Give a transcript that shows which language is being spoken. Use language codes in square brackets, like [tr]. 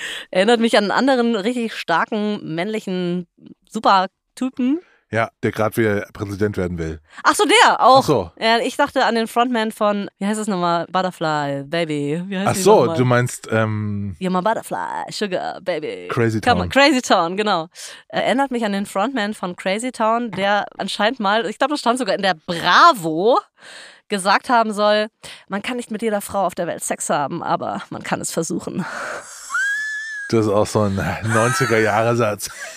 [de] Erinnert mich an einen anderen richtig starken männlichen Supertypen. Ja, der gerade wieder Präsident werden will. Ach so, der auch. Ach so. Ja, ich dachte an den Frontman von, wie heißt das nochmal? Butterfly, Baby. Wie heißt ach so, du meinst... [en] You're my Butterfly, Sugar, Baby. Crazy Town. Come on, [de] Crazy Town, genau. Erinnert mich an den Frontman von Crazy Town, der anscheinend mal, ich glaube, das stand sogar in der Bravo, gesagt haben soll, man kann nicht mit jeder Frau auf der Welt Sex haben, aber man kann es versuchen. Das ist auch so ein 90er-Jahre-Satz.